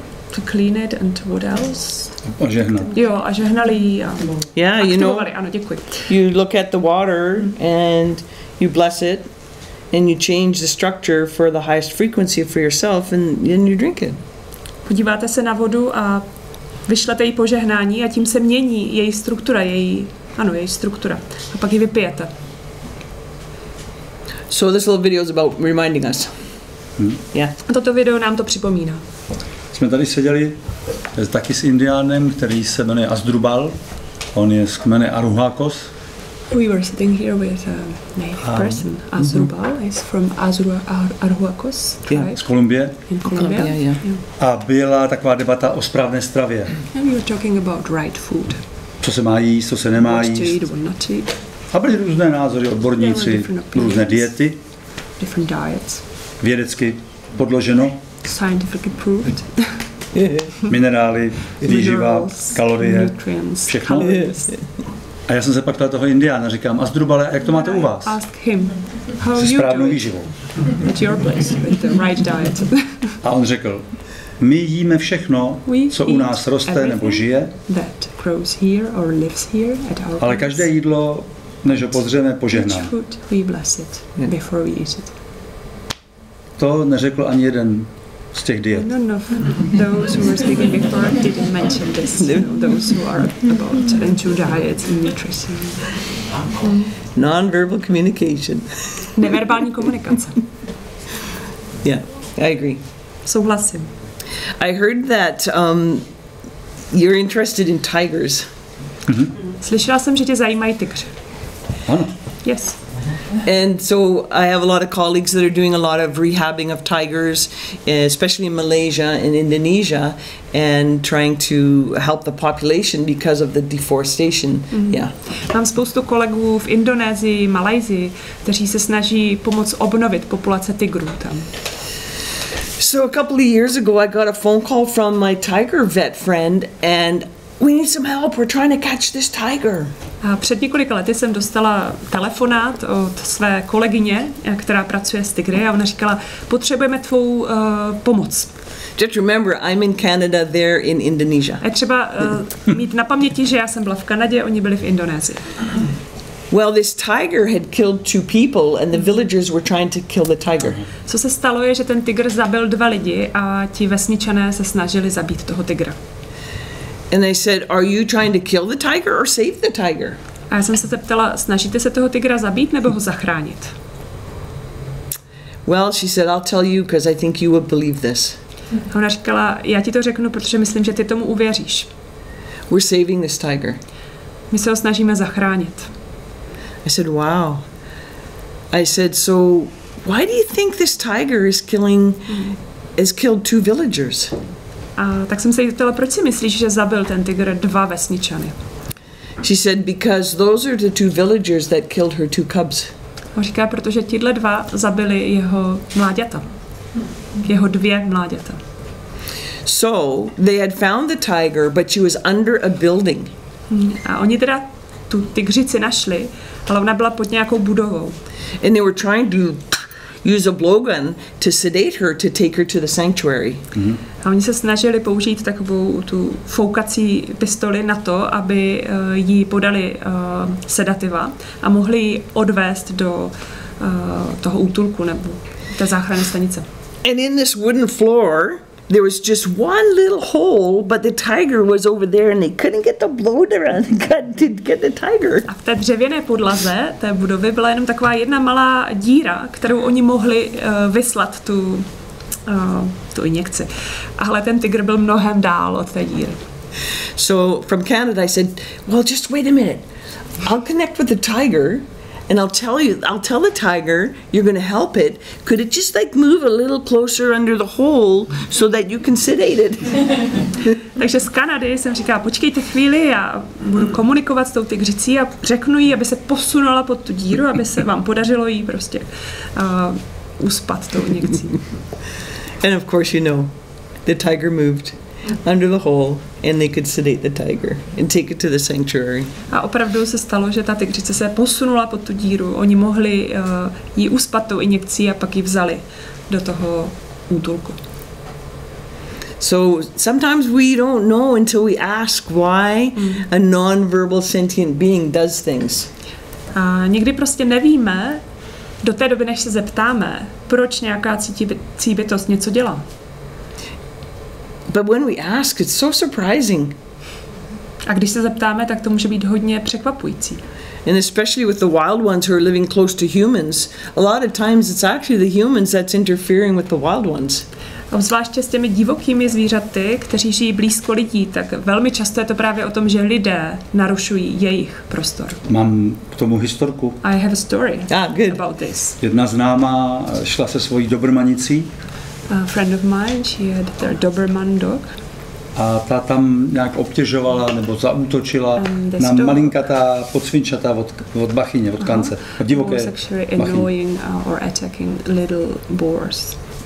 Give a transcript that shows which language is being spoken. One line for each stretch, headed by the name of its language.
English: To clean it and what else?
Czech: A žehnat. Jo, a žehnali ji a aktivovali. Ano, děkuji.
English: You look at the water and you bless it and you change the structure for the highest frequency for yourself and then you drink it.
Czech: Podíváte se na vodu a vyšlete jí požehnání a tím se mění její struktura, její struktura. A pak ji vypijete.
English: So this little video is about reminding us.
Czech: A toto video nám to připomíná. Jsme tady seděli taky s indiánem, který se jmenuje Asdrubal. On je z kmene Aruhakos.
English: We were sitting here with a native person, Asdrubal. He's from Aruhakos tribe.
Czech: Z Kolumbie.
English: In Colombia.
Czech: A byla taková debata o správné stravě.
English: And we were talking about right food.
Czech: Co se má jíst, co se nemá jíst. A byly různé názory, odborníci, různé diety.
English: Different diets.
Czech: Vědecky podloženo.
English: Scientifically proved.
Czech: Minerály, výživa, kalorie,
English: nutrients,
Czech: všechno.
English: Calories.
Czech: A já jsem se pak ptal toho indiána, říkám, Asdrubale, jak to máte u vás?
English: Ask him, how
Czech: se správnou výživou.
English: At your place, with the right diet.
Czech: A on řekl, my jíme všechno, co u nás roste nebo žije,
English: that grows here or lives here at our
Czech: ale každé jídlo, než ho pozřeme, požehnáme.
English: Each food we bless it before we eat it.
Czech: To neřekl ani jeden z těch diet.
English: No. Those who were speaking before didn't mention this. No. Those who are about into diets and nutrition. Non-verbal communication.
Czech: Neverbální komunikace.
English: Yeah, I agree.
Czech: Souhlasím.
English: I heard that you're interested in tigers. Mm-hmm.
Czech: Slyšela jsem, že tě zajímají tygři. Ano.
English: Yes. And so I have a lot of colleagues that are doing a lot of rehabbing of tigers, especially in Malaysia and Indonesia, and trying to help the population because of the deforestation. Mm-hmm. Yeah.
Czech: Mám spoustu kolegů v Indonésii, Malajzii, kteří se snaží pomoct obnovit populace tigrů tam.
English: So a couple of years ago, I got a phone call from my tiger vet friend, and we need some help. We're trying to catch this tiger.
Czech: A před několika lety jsem dostala telefonát od své kolegyně, která pracuje s tygry, a ona říkala, potřebujeme tvou pomoc.
English: Just remember, I'm in Canada, they're in Indonesia.
Czech: A třeba mít na paměti, že já jsem byla v Kanadě, oni byli v Indonésii.
English: Well, this tiger had killed two people and the villagers were trying to kill the tiger.
Czech: Co se stalo je, že ten tygr zabil dva lidi a ti vesničané se snažili zabít toho tygra.
English: And they said, "Are you trying to kill the tiger or save the tiger?"
Czech: A já jsem se zeptala, snažíte se toho tygra zabít nebo ho zachránit?
English: Well, she said, "I'll tell you because I think you would believe this."
Czech: A ona říkala, já ti to řeknu, protože myslím, že ty tomu uvěříš.
English: We're saving this tiger.
Czech: My se ho snažíme zachránit.
English: I said, "Wow." I said, "So, why do you think this tiger has killed two villagers?"
Czech: A tak jsem se jí zeptala, proč si myslíš, že zabil ten tygr dva vesničany?
English: She said, because those are the two villagers that killed her two cubs.
Czech: A říká, protože tíhle dva zabili jeho mláďata. Jeho dvě mláďata.
English: So, they had found the tiger, but she was under a building.
Czech: A oni teda tu tygřici našli, ale ona byla pod nějakou budovou.
English: And they were trying to use a blowgun to sedate her to take her to the sanctuary.
Czech: Mm-hmm. A oni se snažili použít takovou tu foukací pistoli na to, aby jí podali sedativa a mohli ji odvést do toho útulku nebo té záchranné stanice.
English: And in this wooden floor, there was just one little hole, but the tiger was over there and they couldn't get the loader and get the tiger.
Czech: A v té dřevěné podlaze té budovy byla jenom taková jedna malá díra, kterou oni mohli vyslat tu injekci. Ale ten tygr byl mnohem dál od té díry.
English: So from Canada I said, well, just wait a minute. I'll connect with the tiger. And I'll tell the tiger, you're going to help it. Could it just like move a little closer under the hole so that you can sedate it?
Czech: Takže z Kanady jsem říkala, počkejte chvíli, já budu komunikovat s tou tygřicí a řeknu jí, aby se posunula pod tu díru, aby se vám podařilo jí prostě uspat tou injekcí.
English: And of course you know, the tiger moved under the hole and they could sedate the tiger and take it to the sanctuary.
Czech: A opravdu se stalo, že ta tygřice se posunula pod tu díru. Oni mohli ji uspat tou injekcí a pak ji vzali do toho útulku.
English: So sometimes we don't know until we ask why a non-verbal sentient being does things.
Czech: A někdy prostě nevíme do té doby, než se zeptáme, proč nějaká cítící bytost něco dělá.
English: But when we ask, it's so surprising.
Czech: A když se zeptáme, tak to může být hodně překvapující.
English: And especially with the wild ones who are living close to humans, a lot of times it's actually the humans that's interfering with the wild ones.
Czech: Obzvláště s těmi divokými zvířaty, kteří žijí blízko lidí, tak velmi často je to právě o tom, že lidé narušují jejich prostor. Mám k tomu historku.
English: I have a story about this.
Czech: Jedna známá šla se svojí dobrmanicí.
English: A friend of mine, she had their Doberman dog.
Czech: A ta tam nějak obtěžovala nebo zaútočila na malinkatá podsvinčata od bachyně, od kance, od divoké
English: annoying or attacking little boars.